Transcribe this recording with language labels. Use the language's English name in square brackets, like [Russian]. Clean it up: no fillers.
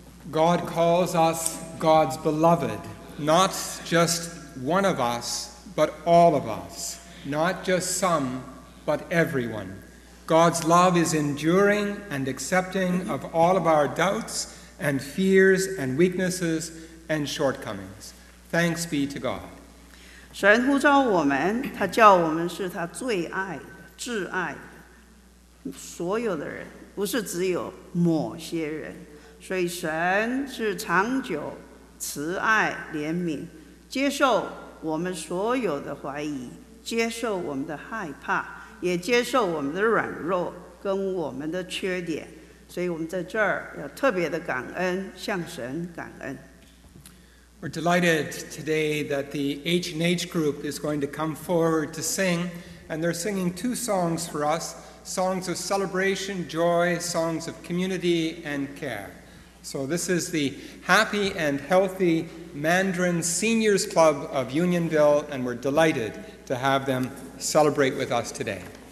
[English] God calls us God's beloved, not just one of us, but all of us, not just some, but everyone. God's love is enduring and accepting of all of our doubts and fears and weaknesses and shortcomings. Thanks be to God. [Chinese] 神呼召我们，他叫我们是他最爱的、挚爱的，所有的人，不是只有某些人。所以神是长久慈爱怜悯，接受我们所有的怀疑，接受我们的害怕，也接受我们的软弱跟我们的缺点。所以我们在这儿要特别的感恩，向神感恩。 [English] We're delighted today that the H&H group is going to come forward to sing, and they're singing two songs for us, songs of celebration, joy, songs of community and care. So this is the Happy and Healthy Mandarin Seniors Club of Unionville, and we're delighted to have them celebrate with us today.